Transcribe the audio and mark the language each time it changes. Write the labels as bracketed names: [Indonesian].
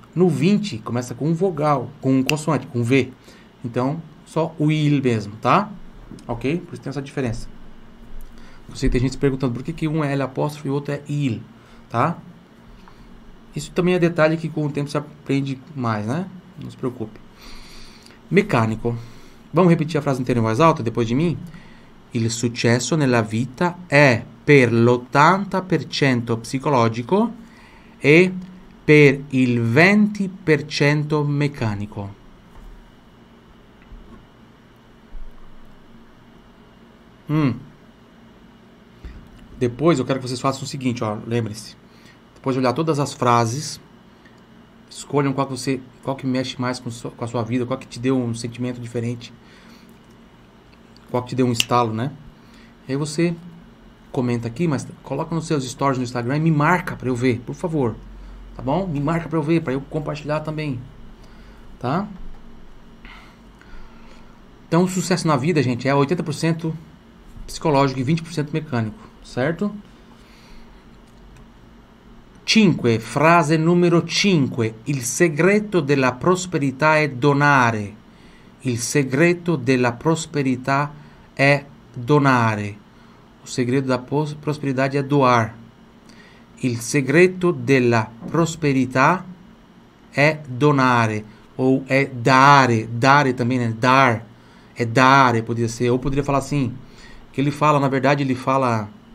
[Portuguese] No 20 começa com um vogal, com um consoante, com um V. Então, só o il mesmo, tá? Ok? Por isso tem essa diferença. Eu sei que tem gente se perguntando por que, que um é L apóstrofo e o outro é il, tá? Isso também é detalhe que com o tempo você aprende mais, né? Não se preocupe. Mecânico. Vamos repetir a frase inteira em voz alta, depois de mim? [Italian] Il successo nella vita è per l'80% psicologico e per il 20% meccanico. Hum. [Portuguese] Depois eu quero que vocês façam o seguinte, ó, lembrem-se. Depois de olhar todas as frases, escolham qual que mexe mais com a sua vida, qual que te deu um sentimento diferente, qual que te deu um estalo, né? E aí você comenta aqui, mas coloca nos seus stories no Instagram e me marca para eu ver, por favor. Tá bom? Me marca para eu ver, para eu compartilhar também. Tá? Então, o sucesso na vida, gente, é 80% psicológico e 20% mecânico, certo? [Italian] Cinque, frase numero 5. Il segreto della prosperità è donare. Il segreto della prosperità è donare. [Portuguese] O segredo da prosperidade é doar. [Italian] Il segreto della prosperità è donare. [Portuguese] Ou [Italian] è dare. [Portuguese] Dare também, né? Dar. [Italian] È dare, [Portuguese] poderia ser. Ou poderia falar assim. Que ele fala, na verdade, ele fala.